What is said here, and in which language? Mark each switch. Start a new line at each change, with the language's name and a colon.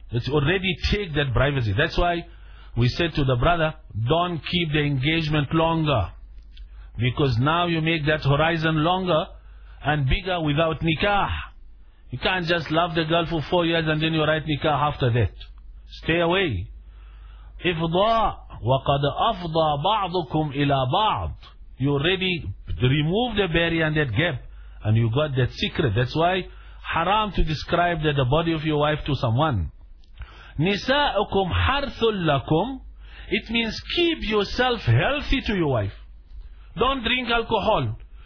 English: It's already take that privacy. That's why we said to the brother, don't keep the engagement longer. Because now you make that horizon longer and bigger without nikah. You can't just love the girl for 4 years and then you write nikah after that. Stay away.
Arabic: Ifda, وقد أفضى بعضكم إلى بعض.
English: You already removed the barrier and that gap and you got that secret. That's why haram to describe the body of your wife to someone.
Arabic: نساؤكم حرث لكم.
English: It means keep yourself healthy to your wife. Don't drink alcohol.